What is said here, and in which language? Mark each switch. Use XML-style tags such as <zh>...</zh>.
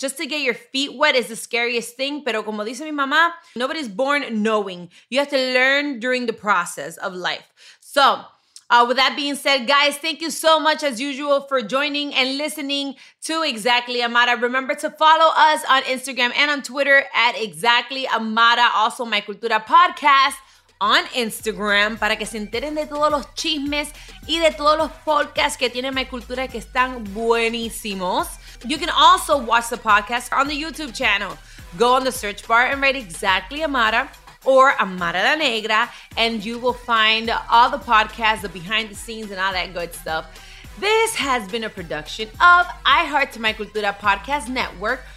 <en>Just to get your feet wet is the scariest thing.</en> <es>Pero como dice mi mamá,</es> <en>nobody's born knowing. You have to learn during the process of life. So with that being said, guys, thank you so much as usual for joining and listening to Exactly Amara. Remember to follow us on Instagram and on Twitter at Exactly Amara.</en> <es>Also, My Cultura Podcast on Instagram para que se enteren de todos los chismes y de todos los podcasts que tiene My Cultura que están buenísimos.</es> <en>You can also watch the podcast on the YouTube channel. Go on the search bar and write Exactly Amara or Amara La Negra, and you will find all the podcasts, the behind the scenes, and all that good stuff. This has been a production of iHeart's My Cultura Podcast Network.</en>